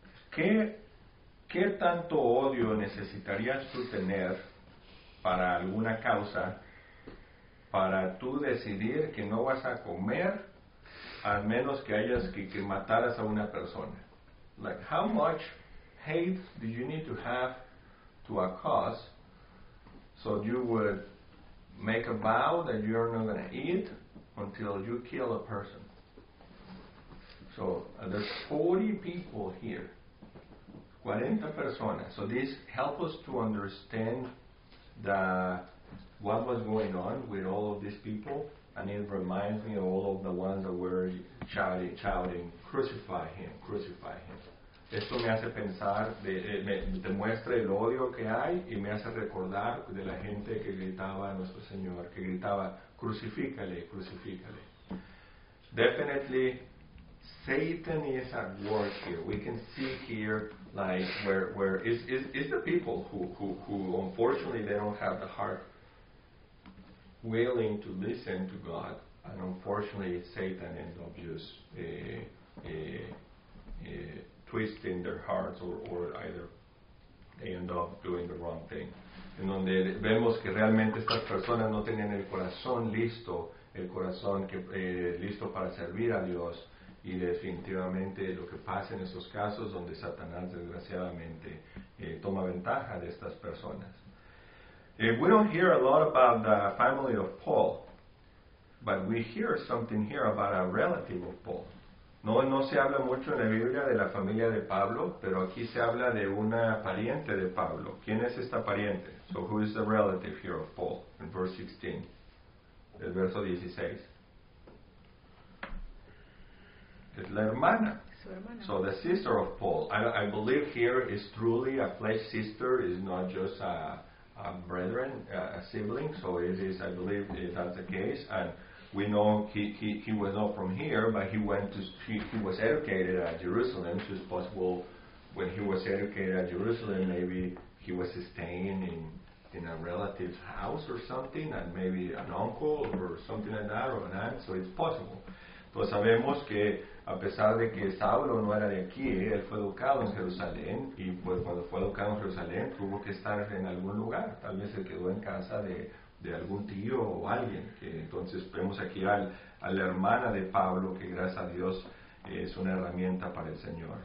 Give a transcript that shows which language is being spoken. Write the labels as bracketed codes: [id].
[es] ¿Qué tanto odio necesitarías tú tener para alguna causa para tú decidir que no vas a comer al menos que hayas que mataras a una persona? [en] Like, how much hate do you need to have to a cause so you would make a vow that you're not going to eat until you kill a person? So there's 40 people here. [es] 40 personas. [en] So this helps us to understand the what was going on with all of these people, and it reminds me of all of the ones that were shouting, crucify him, crucify him. [es] Esto me hace pensar, me demuestra el odio que hay y me hace recordar de la gente que gritaba a nuestro Señor, que gritaba, crucifícale, crucifícale. [en] Definitely, Satan is at work here. We can see here, like, where is the people who unfortunately they don't have the heart willing to listen to God, and unfortunately Satan ends up just twisting their hearts, or either they end up doing the wrong thing. [es] En donde vemos que realmente estas personas no tenían el corazón listo para servir a Dios. Y definitivamente lo que pasa en esos casos donde Satanás desgraciadamente toma ventaja de estas personas. [en] We don't hear a lot about the family of Paul, but we hear something here about a relative of Paul. [es] No se habla mucho en la Biblia de la familia de Pablo, pero aquí se habla de una pariente de Pablo. ¿Quién es esta pariente? [en] So who is the relative here of Paul? In verse 16, [es] el verso 16. Es la hermana. Su hermana. [en] So the sister of Paul. I believe here is truly a flesh sister, is not just a brethren, a sibling. So it is, I believe that's the case. And we know he was not from here, but he was educated at Jerusalem. So it's possible when he was educated at Jerusalem, maybe he was staying in a relative's house or something, and maybe an uncle or something like that, or an aunt. So it's possible. [es] Pues sabemos que a pesar de que Saulo no era de aquí, él fue educado en Jerusalén, y pues cuando fue educado en Jerusalén tuvo que estar en algún lugar, tal vez se quedó en casa de algún tío o alguien. Que entonces vemos aquí a la hermana de Pablo, que gracias a Dios es una herramienta para el Señor.